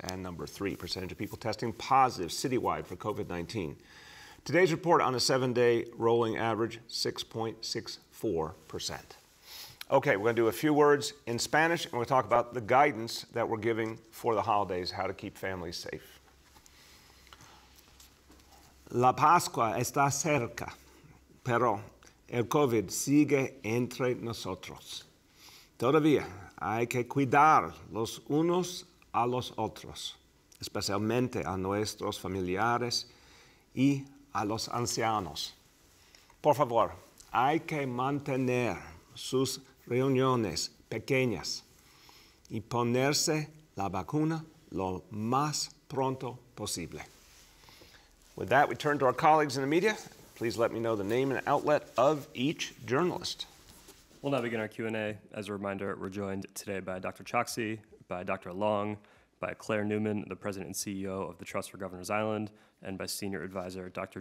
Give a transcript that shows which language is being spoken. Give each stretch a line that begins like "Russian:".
English: And number three, percentage of people testing positive citywide for COVID-19. Today's report on a seven-day rolling average, 6.64%. Okay, we're gonna do a few words in Spanish, and we'll talk about the guidance that we're giving for the holidays, how to keep families safe.
Spanish: La Pascua está cerca, pero el COVID sigue entre nosotros. Todavía hay que cuidar los unos a los otros, especialmente a nuestros familiares y a los ancianos. Por favor, hay que mantener sus reuniones pequeñas y ponerse la vacuna lo más pronto posible.
English: With that, we turn to our colleagues in the media. Please let me know the name and outlet of each journalist. We'll now begin our Q&A. As a reminder, we're joined today by Dr. Choksi, by Dr. Long, by Claire Newman, the president and CEO of the Trust for Governors Island, and by senior advisor, Dr.